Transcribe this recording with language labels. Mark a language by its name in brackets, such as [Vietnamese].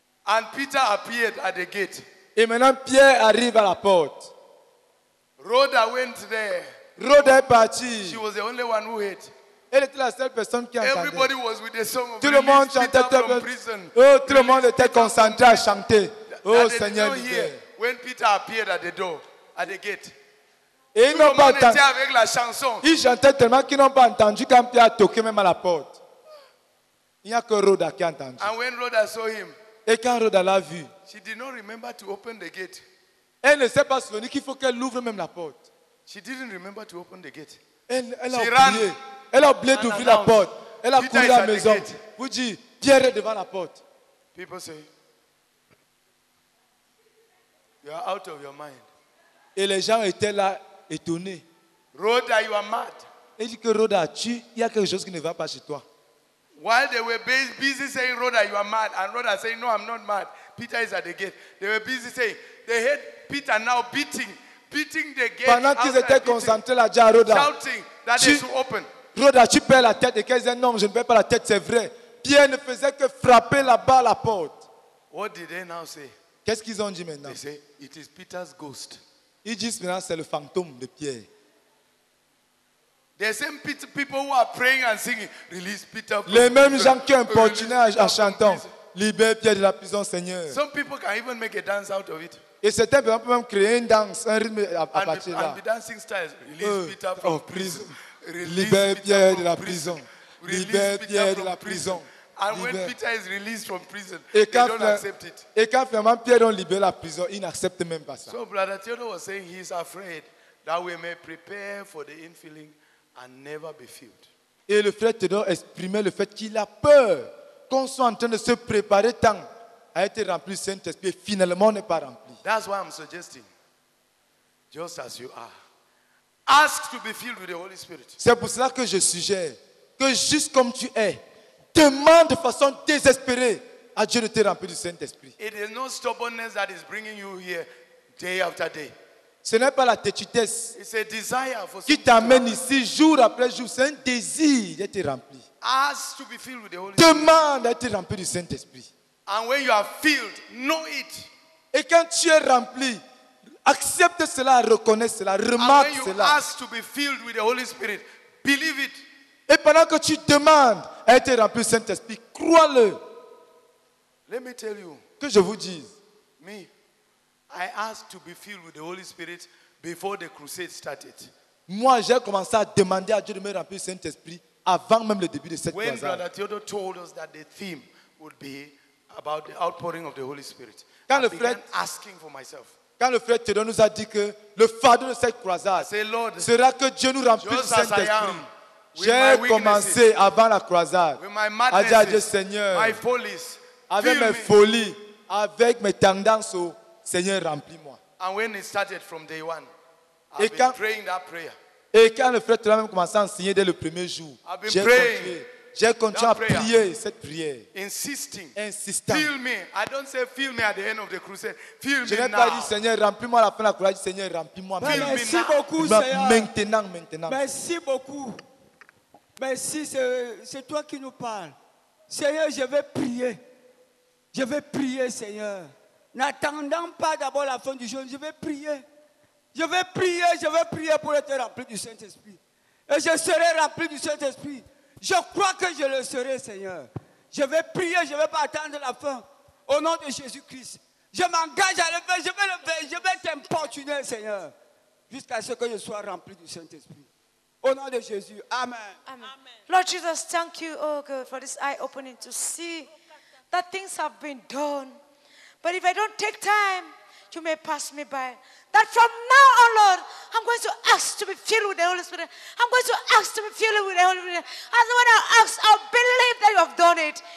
[English] And Peter appeared at the gate. [French] Et maintenant Pierre arrive à la porte. [English] Rhoda went there. [French] Rhoda est partie. [English] She was the only one who heard. [French] Elle était la seule personne qui entendait. [English] Everybody was with the song of [French] tout le monde chantait. [English] Peter [French] tout tout le monde était concentré à chanter. Oh Seigneur, libère. [English] When Peter appeared at the door, at the gate. [French] Et ils n'ont pas entendu. Avec la chanson. Ils chantaient tellement qu'ils n'ont pas entendu quand Pierre a toqué même à la porte. Il n'y a que Rhoda qui a entendu. [English] And when Rhoda saw him, [French] et quand Rhoda l'a vu, [English] she did not remember to open the gate. [French] Elle ne s'est pas souvenue qu'il faut qu'elle ouvre même la porte. [English] She didn't remember to open the gate. [French] Elle a oublié. Elle a oublié d'ouvrir la porte. Elle a couru à la maison. Vous dites, Pierre est devant la porte. [English] People say, you are out of your mind. [French] Et les gens étaient là, étonnés. [English] Rhoda, you are mad. [French] Elle dit que Rhoda, il y a quelque chose qui ne va pas chez toi. [English] While they were busy saying, Rhoda, you are mad. And Rhoda saying, no, I'm not mad. Peter is at the gate. They were busy saying, they heard Peter now beating the gate. [French] Pendant qu'ils étaient concentrés là, déjà Rhoda, [English] shouting that they should open. [French] Rhoda, tu perds la tête. Et qu'elle disait, non, je ne perds pas la tête, c'est vrai. Pierre ne faisait que frapper là-bas à la porte. [English] What did they now say? [French] Qu'est-ce qu'ils ont dit maintenant? [English] They say, it is Peter's ghost. [French] Ils disent maintenant, c'est le fantôme de Pierre. [English] The same people who are praying and singing, release Peter. [French] Les mêmes gens qui importunaient en chantant, libère Pierre de la prison, Seigneur. [English] Some people can even make a dance out of it. [French] Et certains peuvent même créer une danse, un rythme à partir de là. [English] And the dancing style, release Peter from prison. [French] Libère Pierre de la prison. Libère Pierre de la prison. [English] And when Peter is released from prison, they don't accept it. [French] Et quand finalement Pierre a libéré la prison, ils n'acceptent même pas ça. [English] So Brother Theodore was saying he's afraid that we may prepare for the infilling and never be filled. [French] Et le frère Tedor exprimait le fait qu'il a peur qu'on soit en train de se préparer tant à être rempli du Saint-Esprit et finalement n'est pas rempli. [English] That's why I'm suggesting, just as you are, ask to be filled with the Holy Spirit. [French] C'est pour cela que je suggère que juste comme tu es, demande de façon désespérée à Dieu de te remplir du Saint-Esprit. [English] It is no stubbornness that is bringing you here day after day. [French] Ce n'est pas la têtutesse. [English] It's a desire for [French] qui t'amène ici jour après jour. C'est un désir d'être rempli. [English] Ask to be filled with the Holy [French] Demande d'être rempli du Saint-Esprit. [English] And when you are filled, know it. [French] Et quand tu es rempli, accepte cela, reconnais cela, remarque [English] and when [French] cela. [English] Ask to be filled with the Holy Spirit, believe it. [French] Et pendant que tu demandes d'être rempli du Saint-Esprit, crois-le. [English] Let me tell you, [French] que je vous dise. [English] Me. I asked to be filled with the Holy Spirit before the crusade started. [French] Moi, j'ai commencé à demander à Dieu de me remplir du Saint-Esprit avant même le début de cette croisade. [English] When Brother Theodore told us that the theme would be about the outpouring of the Holy Spirit, [French] quand [English] I [French] le [English] began [French] frère, [English] asking for myself. [French] Quand le frère Theodore nous a dit que le fardeau de cette croisade [English] say, Lord, [French] sera que Dieu nous remplit du Saint-Esprit. J'ai commencé avant la croisade à dire à Dieu, Seigneur, [English] my follies, [French] avec mes folies, avec mes tendances au Seigneur, remplis-moi. [English] And when it started from day one, I've been praying that prayer. [French] Et quand le frère Thomas a commencé à enseigner dès le premier jour, j'ai continué à prier cette prière. Insistant. [English] Feel me. I don't say feel me at the end of the crusade. Feel [French] je [English] me now. [French] Je n'ai pas dit Seigneur, remplis-moi à la fin de la croisade. Seigneur, remplis-moi. Merci beaucoup, Seigneur. Maintenant. Merci beaucoup. Merci, c'est toi qui nous parles. Seigneur, je vais prier. Je vais prier, Seigneur. N'attendant pas d'abord la fin du jour, je vais prier. Je vais prier, je vais prier pour être rempli du Saint-Esprit. Et je serai rempli du Saint-Esprit. Je crois que je le serai, Seigneur. Je vais prier, je ne vais pas attendre la fin. Au nom de Jésus-Christ, je m'engage à le faire, je vais le faire, je vais t'importuner, Seigneur, jusqu'à ce que je sois rempli du Saint-Esprit. Au nom de Jésus, amen. Amen. [English] Lord Jesus, thank you, oh God, for this eye-opening to see that things have been done. But if I don't take time, you may pass me by. That from now on, Lord, I'm going to ask to be filled with the Holy Spirit. I'm going to ask to be filled with the Holy Spirit. As when I ask, I believe that you have done it.